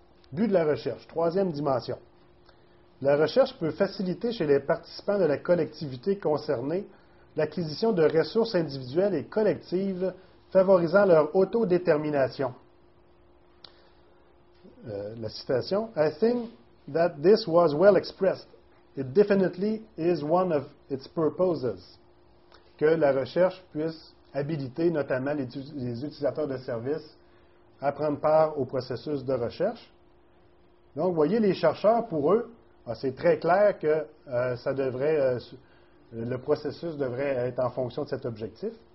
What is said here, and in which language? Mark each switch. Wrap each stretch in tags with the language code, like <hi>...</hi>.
<fr>But de la recherche, troisième dimension. La recherche peut faciliter chez les participants de la collectivité concernée l'acquisition de ressources individuelles et collectives favorisant leur autodétermination. La citation,</fr> <en>« I think that this was well expressed. It definitely is one of its purposes.</en> <fr>» Que la recherche puisse habiliter notamment les utilisateurs de services à prendre part au processus de recherche. Donc, vous voyez, les chercheurs, pour eux, c'est très clair que le processus devrait être en fonction de cet objectif.</fr>